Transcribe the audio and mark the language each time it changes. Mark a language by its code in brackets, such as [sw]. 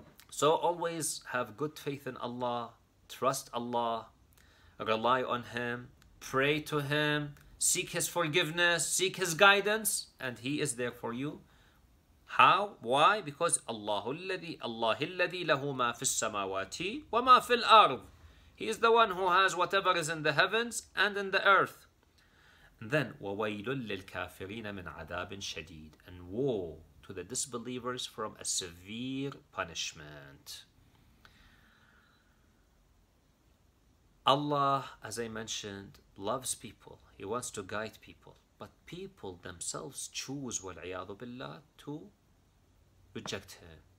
[en] So always have good faith in Allah, trust Allah, rely on Him, pray to Him, seek His forgiveness, seek His guidance, and He is there for you. How? Why? [ar] Because Allah alladhi lahu ma fis samawati wa ma fil ardh. [en] He is the one who has whatever is in the heavens and in the earth. [ar] Then, وَوَيْلٌ لِلْكَافِرِينَ مِنْ عَذَابٍ شَدِيدٍ. [en] And woe to the disbelievers from a severe punishment. Allah, as I mentioned, loves people. He wants to guide people. But people themselves choose, [ar] وَالْعِيَاذُ بِاللَّهِ, [en] to reject Him.